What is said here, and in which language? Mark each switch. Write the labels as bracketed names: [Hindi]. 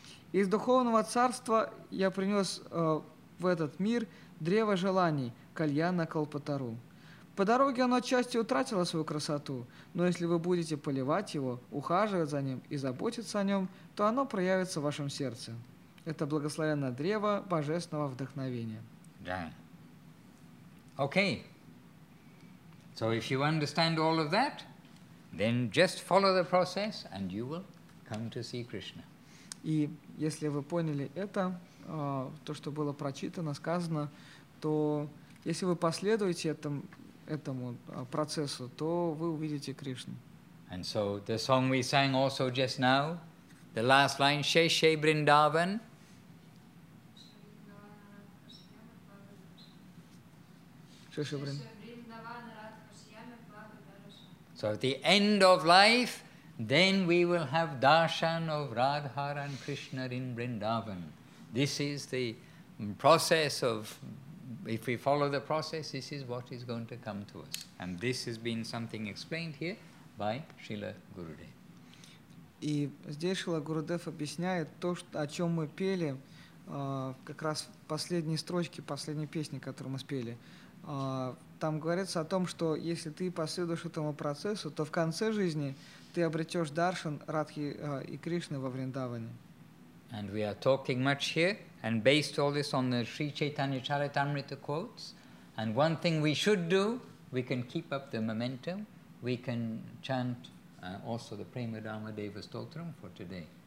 [Russian] Из духовного царства я принес в этот мир древо желаний, кальяна калпатару. По дороге оно отчасти утратило свою красоту, но если вы будете поливать его, ухаживать за ним и заботиться о нем, то оно проявится в вашем сердце. Это благословенное древо божественного вдохновения. Да. Okay. [English] So if you understand all of that, then just follow the process and you will come to see Krishna. [Russian] И если вы поняли это, то, что было прочитано, сказано, то если вы последуете этому процессу, то вы увидите Кришну. [English] And so the song we sang also just now, the last line, Shay Shay Vrindavan. So at the end of life, then we will have darshan of Radhar and Krishna in Vrindavan. This is the process of, if we follow the process, this is what is going to come to us. And this has been something explained here by Srila Gurudev. [Russian] И здесь Шрила Гурудев объясняет то, о чем мы пели, как раз в последней строчке, последней песни, которую мы спели. Там говорится о том, что если ты последуешь этому процессу, то в конце жизни ты обретешь даршан Радхи и Кришны во Вриндаване. [English] And we are talking much here, and based all this on the Sri Chaitanya Charitamrita quotes. And one thing we should do, we can keep up the momentum, we can chant also the Prema Dharma Deva Stotram for today.